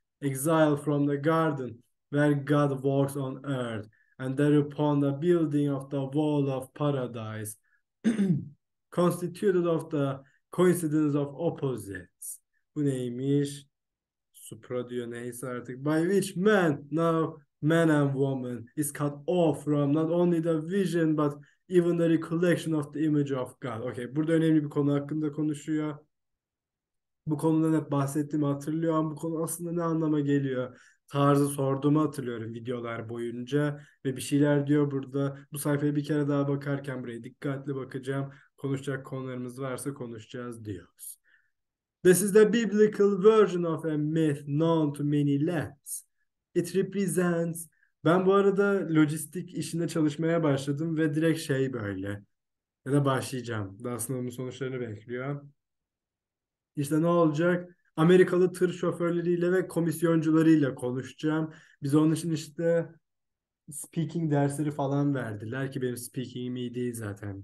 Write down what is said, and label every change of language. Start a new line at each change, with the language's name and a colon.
English: Exile from the garden where God walks on earth and thereupon the building of the wall of paradise constituted of the coincidence of opposites.
Turkish: Bu neymiş? Supra diyor, neyse artık.
English: By which man now Man and woman is cut off from not only the vision but even the recollection of the image of God.
Turkish: Okay, burada önemli bir konu hakkında konuşuyor. Bu konudan hep bahsettiğimi hatırlıyor ama bu konu aslında ne anlama geliyor tarzı sorduğumu hatırlıyorum videolar boyunca. Ve bir şeyler diyor burada. Bu sayfaya bir kere daha bakarken buraya dikkatli bakacağım. Konuşacak konularımız varsa konuşacağız diyoruz.
English: This is the biblical version of a myth known to many lands. It represents.
Turkish: Ben bu arada lojistik işinde çalışmaya başladım ve direkt şey böyle. Ya da başlayacağım. Daha sınavımın sonuçlarını bekliyor. İşte ne olacak? Amerikalı tır şoförleriyle ve komisyoncularıyla konuşacağım. Biz onun için işte speaking dersleri falan verdiler ki benim speaking'im iyi değil zaten.